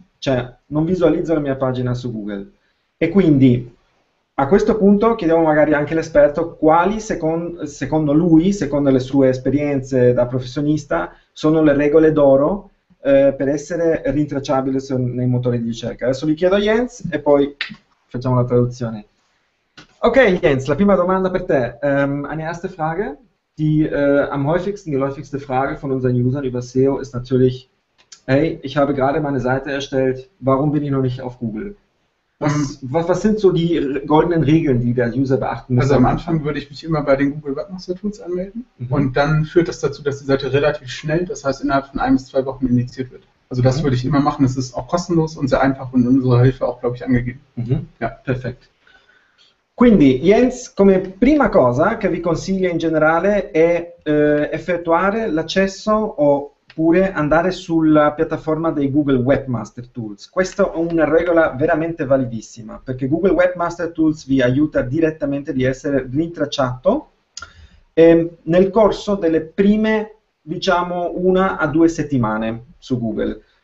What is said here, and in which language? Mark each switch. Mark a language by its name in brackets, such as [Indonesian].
[Italian] Cioè, non visualizzo la mia pagina su Google. E quindi, a questo punto, chiediamo magari anche all'esperto quali, secondo lui, secondo le sue esperienze da professionista, sono le regole d'oro, per essere rintracciabile nei motori di ricerca. Adesso vi chiedo a Jens e poi facciamo la traduzione. Ok, Jens, la prima domanda per te. [German] Eine erste Frage, die am häufigsten geläufigste Frage von unseren Usern über SEO ist natürlich: Hey, ich habe gerade meine Seite erstellt, warum bin ich noch nicht auf Google? Was sind so die goldenen Regeln, die der User beachten muss Also am am Anfang Anfang? würde ich mich immer bei den Google Webmaster Tools anmelden und dann führt das dazu, dass die Seite relativ schnell, das heißt innerhalb von 1 bis 2 Wochen indiziert wird. Also das würde ich immer machen, es ist auch kostenlos und sehr einfach und in unserer Hilfe auch, glaube ich, angegeben. Ja, perfekt. [Italian] Quindi, Jens, come prima cosa che vi consiglio in generale è effettuare l'accesso oppure andare sulla piattaforma dei Google Webmaster Tools. Questa è una regola veramente validissima, perché Google Webmaster Tools vi aiuta direttamente di essere rintracciato nel corso delle prime, diciamo, 1 a 2 settimane su Google.